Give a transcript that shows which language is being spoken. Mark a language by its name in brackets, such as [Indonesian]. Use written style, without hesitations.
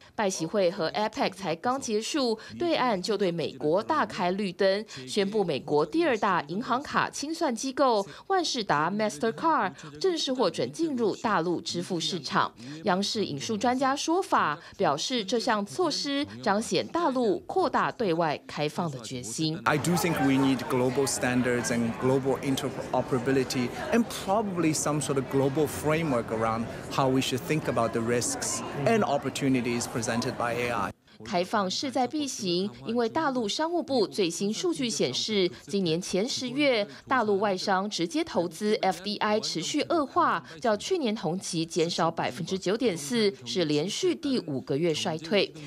[Chinese] 拜习会和 APEC 才刚结束，对岸就对美国大开绿灯，宣布美国第二大银行卡清算机构万事达 MasterCard 正式获准进入大陆支付市场。央视引述专家说法，表示这项措施彰显大陆扩大对外开放的决心。 [English] I do think we need global standards and global interoperability and probably some sort of global framework around how we should think about the risks and opportunities. [Chinese] 开放势在必行，因为大陆商务部最新数据显示，今年前十月大陆外商直接投资 FDI 持续恶化，较去年同期减少9.4%，是连续第五个月衰退。